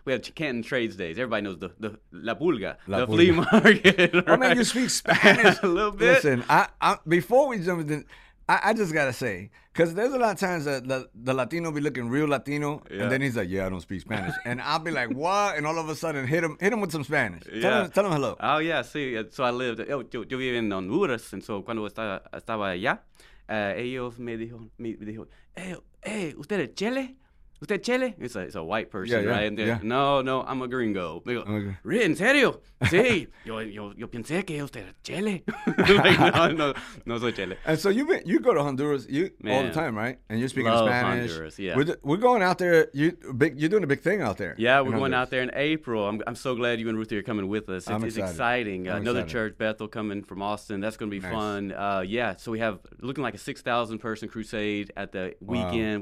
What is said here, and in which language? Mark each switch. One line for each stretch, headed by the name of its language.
English: We have Canton Trades Days. Everybody knows the La Pulga, the flea market. Right? I mean, you speak Spanish a little bit. Listen, before we jump in, I just gotta say, because there's a lot of times that the Latino be looking real Latino, and then he's like, "Yeah, I don't speak Spanish," and I'll be like, "What?" And all of a sudden, hit him with some Spanish. Tell him hello. Oh yeah, see, so I lived.
Spanish: Yo vivo en Honduras,
English: and so
Spanish: cuando estaba allá, ellos me dijo, hey, ¿usted es Chile? ¿Usted es Chile?
English: It's a white person, right? And yeah. No, I'm a gringo. They go, okay.
Spanish: ¿En serio? Sí. yo pensé que usted es Chile. Like, no soy Chile.
English: And so you go to Honduras all the time, right? And you're speaking Love Spanish. Honduras, yeah. We're going out there. You're doing a big thing out there. Yeah, we're going out there in April. I'm so glad you and Ruthie are coming with us. It's exciting. Another church, Bethel, coming from Austin. That's going to be fun. So we have looking like a 6,000-person crusade at the weekend.